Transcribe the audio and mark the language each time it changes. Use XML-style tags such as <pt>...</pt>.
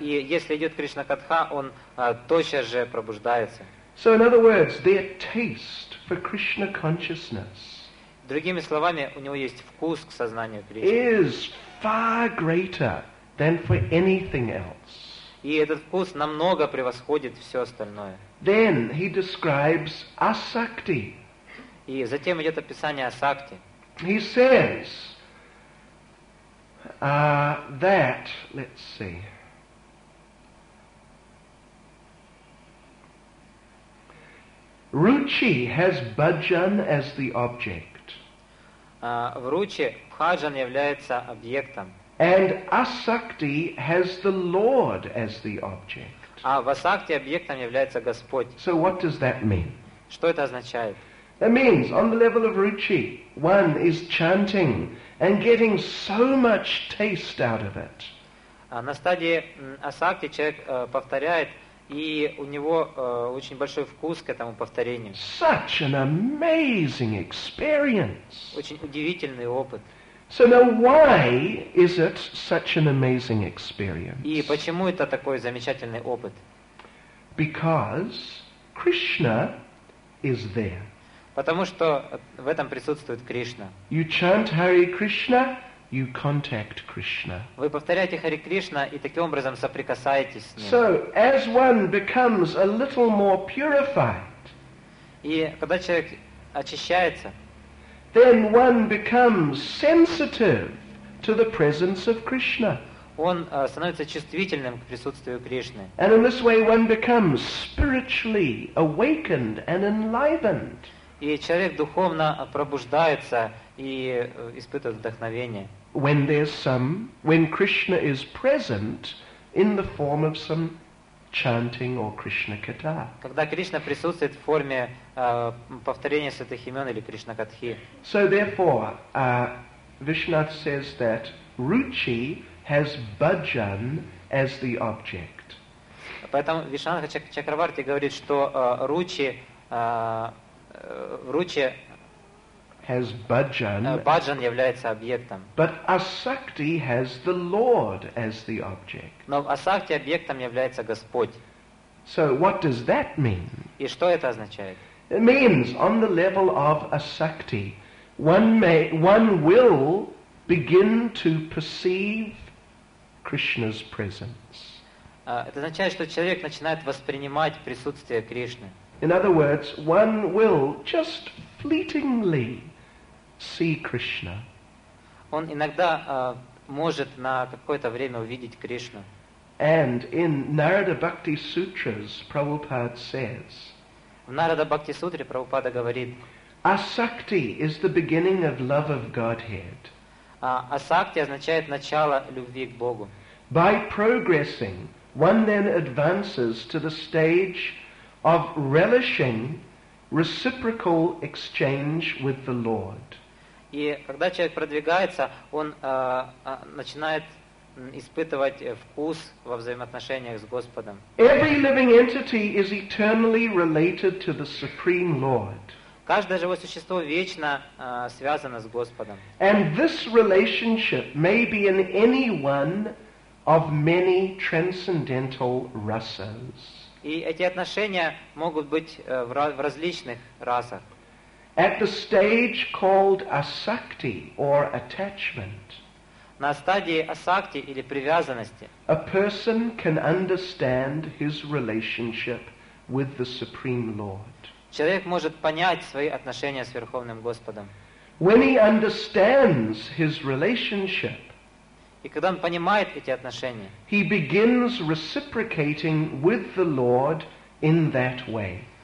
<ru>И если идет Кришна катха, он тотчас же пробуждается.</ru> <en>So in other words, their taste for Krishna consciousness,</en> <ru>другими словами, у него есть вкус к сознанию Кришны,</ru> <en>is far greater than for anything else.</en> <ru>И этот вкус намного превосходит все остальное.</ru> <en>Then he describes asakti.</en> <ru>И затем идет описание асакти.</ru> <en>He says that, let's see. Ruchi has bhajan as the object.</en> <ru>В ручи бхаджан является объектом.</ru> <en>And asakti has the Lord as the object.</en> <ru>А в асакти объектом является Господь.</ru> <en>So what does that mean?</en> <ru>Что это означает?</ru> <en>That means, on the level of ruchi, one is chanting and getting so much taste out of it.</en> <ru>На стадии асакти человек повторяет, и у него очень большой вкус к этому повторению.</ru> <en>Such an amazing experience.</en> <ru>Очень удивительный опыт.</ru> <en>So now, why is it such an amazing experience?</en> <ru>И почему это такой замечательный опыт?</ru> <en>Because Krishna is there.</en> <ru>Потому что в этом присутствует Кришна.</ru> <en>You chant Hare Krishna, you contact Krishna.</en> <ru>Вы повторяете Хари Кришна и таким образом соприкасаетесь с ним.</ru> <en>So as one becomes a little more purified,</en> <ru>и когда человек очищается,</ru> <en>then one becomes sensitive to the presence of Krishna.</en> <ru>Он становится чувствительным к присутствию Кришны.</ru> <en>And in this way one becomes spiritually awakened and enlivened.</en> <ru>И человек духовно пробуждается и испытывает вдохновение.</ru> <en>When there's some, when Krishna is present in the form of some chanting or Krishna katha.</en> <ru>Когда Кришна присутствует в форме повторения святых имен или Кришна катхи.</ru> <en>So therefore, Vishnath says that ruchi has bhajan as the object.</en> <ru>Поэтому Вишнанатха Чакраварти говорит, что ручи в руче</ru> <en>has bhajan,</en> <ru>bhajan является объектом.</ru> <en>But asakti has the Lord as the object.</en> <ru>Но в асакти объектом является Господь.</ru> <en>So what does that mean?</en> <ru>И что это означает?</ru> <en>It means on the level of asakti, one will begin to perceive Krishna's presence.</en> <ru>Это означает, что человек начинает воспринимать присутствие Кришны.</ru> <en>In other words, one will just fleetingly see Krishna.</en> <ru>Он иногда может на какое-то время увидеть Кришну.</ru> <en>And in Narada Bhakti Sutras, Prabhupada says,</en> <ru>в Narada Bhakti Sutra Prabhupada говорит,</ru> <en>asakti is the beginning of love of Godhead.</en> <ru>Асакти означает начало любви к Богу.</ru> <en>By progressing, one then advances to the stage of relishing reciprocal exchange with the Lord.</en> <ru>И когда человек продвигается, он начинает испытывать вкус во взаимоотношениях с Господом.</ru> <en>Every living entity is eternally related to the Supreme Lord.</en> <ru>Каждое живое существо вечно связано с Господом.</ru> <en>And this relationship may be in any one of many transcendental rasas.</en> <ru>И эти отношения могут быть в различных расах.</ru> <en>At the stage called asakti or attachment,</en> <ru>на стадии асакти или привязанности,</ru> <en>a person can understand his relationship with the Supreme Lord.</en> <ru>Человек может понять свои отношения с Верховным Господом.</ru> <en>When he understands his relationship,</en> <ru>и когда он понимает эти отношения,</ru> <en>he begins reciprocating with the Lord in that way.</en>